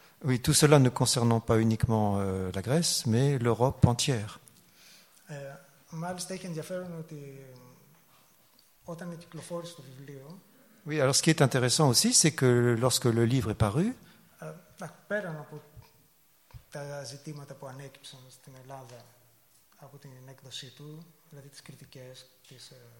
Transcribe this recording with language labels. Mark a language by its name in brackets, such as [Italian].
[French] Oui, tout cela ne concernant pas uniquement la Grèce, mais l'Europe entière. [Greek] Μάλιστα έχει ενδιαφέρον ότι όταν κυκλοφόρησε το βιβλίο. [French] Oui, alors ce qui est intéressant aussi, c'est que lorsque le livre est paru. [Greek] Πέραν από τα ζητήματα που ανέκυψαν στην Ελλάδα από την έκδοσή του, δηλαδή τις κριτικές της.